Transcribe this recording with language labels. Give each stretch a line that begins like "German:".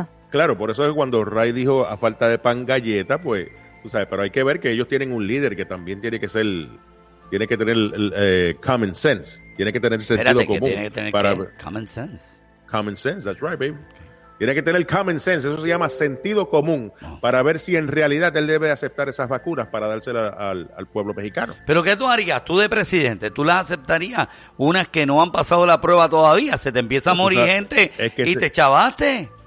Spanish: Claro, por eso es cuando Ray dijo a falta de pan galleta, pues, tú sabes, pero hay que ver que ellos tienen un líder que también tiene que tener common sense, tiene que tener sentido común. Tiene que tener
English: common sense. Common sense, that's right, baby. Okay.
Spanish: Tiene que tener common sense, eso se llama sentido común, para ver si en realidad él debe aceptar esas vacunas para dárselas al pueblo mexicano. ¿Pero qué tú harías? Tú de presidente, ¿tú las aceptarías? Unas que no han pasado la prueba todavía, se te empieza a morir, o sea, gente, es que y te chabaste.